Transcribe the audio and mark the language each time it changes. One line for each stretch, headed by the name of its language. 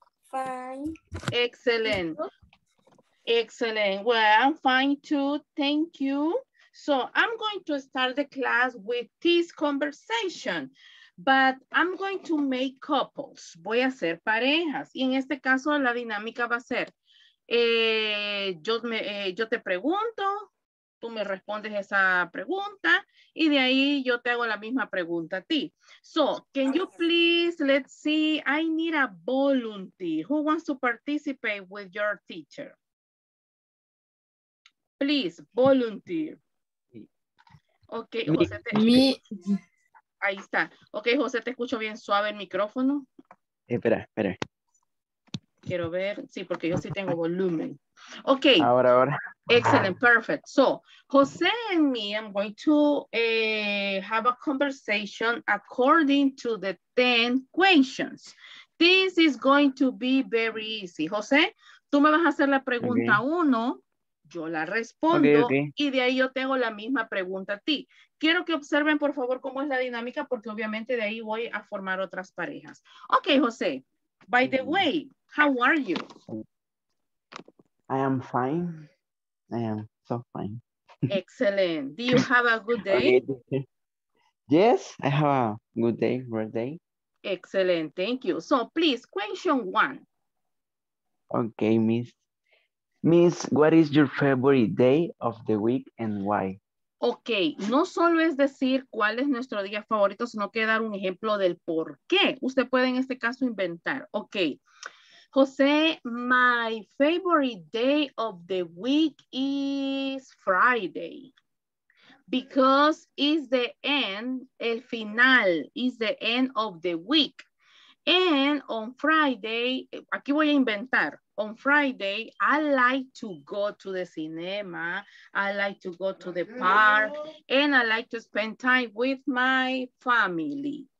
English: Fine. Excellent. Excellent. Well, I'm fine too. Thank you. So I'm going to start the class with this conversation, but I'm going to make couples.
Spanish: Voy a hacer parejas. Y en este caso, la dinámica va a ser, yo te pregunto, tú me respondes esa pregunta, y de ahí yo te hago la misma pregunta a ti.
English: So, can you please, let's see, I need a volunteer. Who wants to participate with your teacher? Please, volunteer. Okay,
Spanish: José, te escucho. Ahí está. Okay, José, te escucho bien suave el micrófono. Espera, espera. Quiero ver, sí, porque yo sí tengo volumen.
English: Okay.
Spanish: Ahora, ahora.
English: Excellent, perfect. So, Jose and me, I'm going to have a conversation according to the 10 questions. This is going to be very easy.
Spanish: Jose, tú me vas a hacer la pregunta uno, yo la respondo, y de ahí yo tengo la misma pregunta a ti. Quiero que observen, por favor, cómo es la dinámica, porque obviamente de ahí voy a formar otras parejas.
English: Okay, Jose, by the way, how are you? I am fine. I am so fine. Excellent. Do you have a good day? Okay. Yes, I have a good day, great day. Excellent. Thank you. So please, question one. Okay, Miss. Miss, what is your favorite day of the week and why?
Spanish: Okay, no solo es decir cuál es nuestro día favorito, sino que dar un ejemplo del por qué. Usted puede en este caso inventar. Okay.
English: Jose, my favorite day of the week is Friday because it's the end,
Spanish: el final,
English: is the end of the week. And on Friday,
Spanish: aquí voy a inventar,
English: on Friday, I like to go to the cinema, I like to go to the park, and I like to spend time with my family.